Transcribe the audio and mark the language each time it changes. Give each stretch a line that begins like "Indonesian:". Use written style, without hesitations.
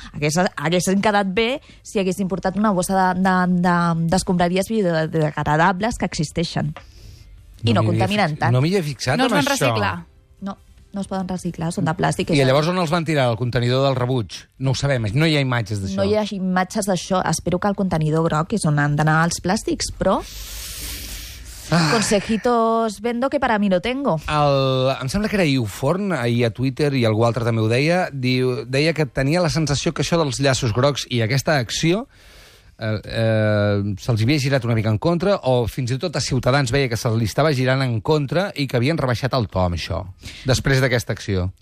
Catalan: Haguessin quedat bé si haguessin portat una bossa d'escombraries biodegradables que existeixen. I no contaminen tant. No m'hi he fixat amb això. No es van reciclar. No es poden reciclar, són de plàstic. I llavors on els van tirar, el contenidor del rebuig? No ho sabem, no hi ha imatges d'això. No hi ha imatges d'això. Espero que el contenidor groc és on han d'anar els plàstics, però...
Spanish: Consejitos vendo que para mí no tengo.
Catalan: Em sembla que era Iuforn, ahir a Twitter, i algú altre també ho deia, deia que tenia la sensació que això dels llaços grocs i aquesta acció se'ls havia girat una mica en contra, o fins i tot a Ciutadans veia que se'ls estava girant en contra i que havien rebaixat el to amb això, després d'aquesta acció.